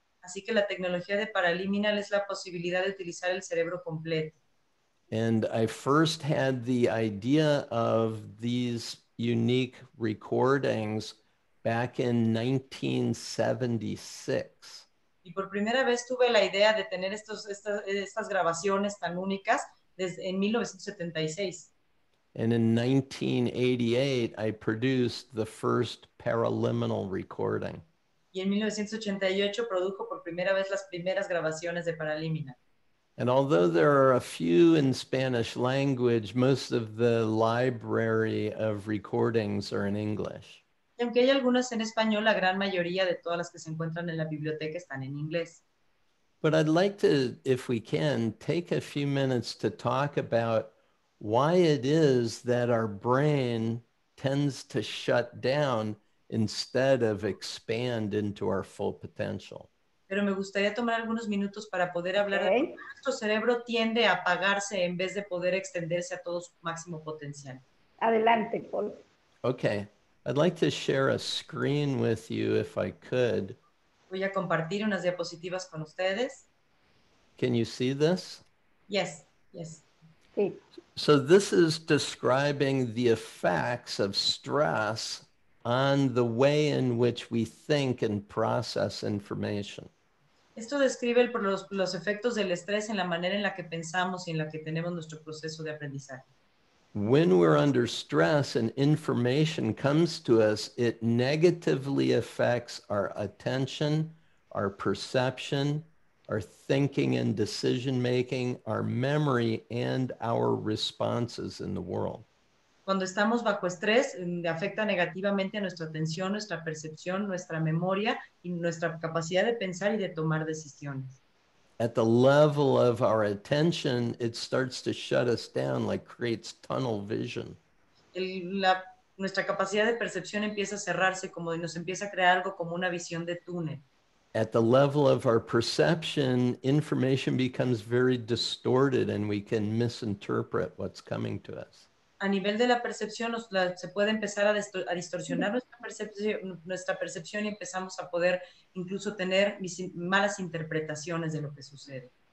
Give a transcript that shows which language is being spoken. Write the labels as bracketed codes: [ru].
[es] Así que la tecnología de paraliminal es la posibilidad de utilizar el cerebro completo. [en] And I first had the idea of these unique recordings back in 1976. [es] Y por primera vez tuve la idea de tener estas grabaciones tan únicas desde en 1976. [en] And in 1988 I produced the first paraliminal recording. [es] Y en 1988 produjo por primera vez las primeras grabaciones de paralímina. [en] And although there are a few in Spanish language, most of the library of recordings are in English. [es] Aunque hay algunas en español, la gran mayoría de todas las que se encuentran en la biblioteca están en inglés. [en] But I'd like to, if we can, take a few minutes to talk about why it is that our brain tends to shut down instead of expand into our full potential. [es] Pero me gustaría tomar algunos minutos para poder hablar de cómo nuestro cerebro tiende a apagarse en vez de poder extenderse a todo su máximo potencial. Adelante, Paul. Okay. [en] I'd like to share a screen with you if I could. [es] Voy a compartir unas diapositivas con ustedes. [en] Can you see this? Yes, yes. [es] Sí. [en] So this is describing the effects of stress on the way in which we think and process information. [es] Esto describe los efectos del estrés en la manera en la que pensamos y en la que tenemos nuestro proceso de aprendizaje. [en] When we're under stress and information comes to us, it negatively affects our attention, our perception, our thinking and decision making, our memory, and our responses in the world. [es] Cuando estamos bajo estrés, afecta negativamente a nuestra atención, nuestra percepción, nuestra memoria y nuestra capacidad de pensar y de tomar decisiones. [en] At the level of our attention, it starts to shut us down, like creates tunnel vision. [es] Nuestra capacidad de percepción empieza a cerrarse, como nos empieza a crear algo como una visión de túnel. [en] At the level of our perception, information becomes very distorted and we can misinterpret what's coming to us. [es] A nivel de la percepción, se puede empezar a distorsionar nuestra percepción y empezamos a poder incluso tener malas interpretaciones de lo que sucede.